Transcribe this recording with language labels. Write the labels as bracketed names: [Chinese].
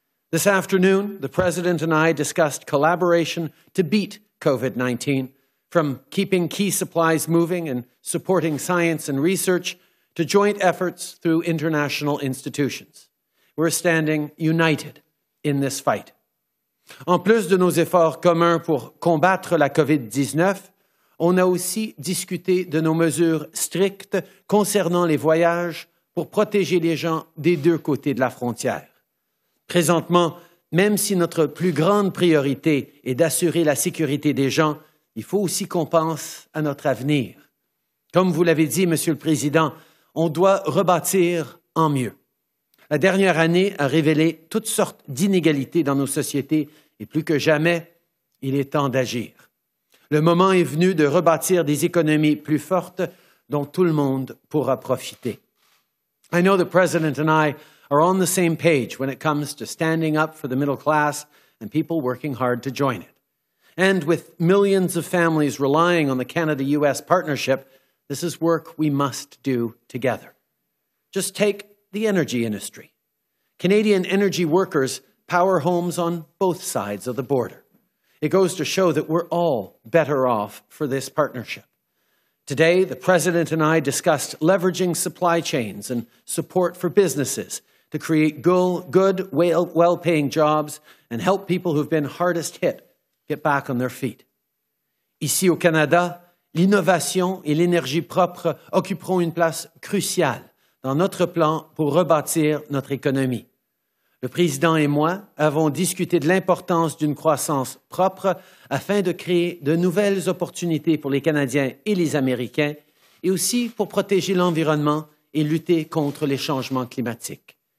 [English] This afternoon, the President and I discussed collaboration to beat COVID-19, from keeping key supplies moving and supporting science and research to joint efforts through international institutions. We're standing united in this fight. [French] En plus de nos efforts communs pour combattre la COVID-19, on a aussi discuté de nos mesures strictes concernant les voyages pour protéger les gens des deux côtés de la frontière. Présentement, même si notre plus grande priorité est d'assurer la sécurité des gens, il faut aussi qu'on pense à notre avenir. Comme vous l'avez dit, Monsieur le Président, on doit rebâtir en mieux. La dernière année a révélé toutes sortes d'inégalités dans nos sociétés et plus que jamais, Il est temps d'agir. Le moment est venu de rebâtir des économies plus fortes dont tout le monde pourra profiter. [English] I know the president and I are on the same page when it comes to standing up for the middle class and people working hard to join it. And with millions of families relying on the Canada-US partnership, this is work we must do together. Just take the energy industry. Canadian energy workers power homes on both sides of the border. It goes to show that we're all better off for this partnership. Today, the President and I discussed leveraging supply chains and support for businesses to create good, well-paying jobs and help people who've been hardest hit get back on their feet. [French] Ici au Canada, l'innovation et l'énergie propre occuperont une place cruciale dans notre plan pour rebâtir notre économie. Le président et moi avons discuté de l'importance d'une croissance propre afin de créer de nouvelles opportunités pour les Canadiens et les Américains et aussi pour protéger l'environnement et lutter contre les changements climatiques.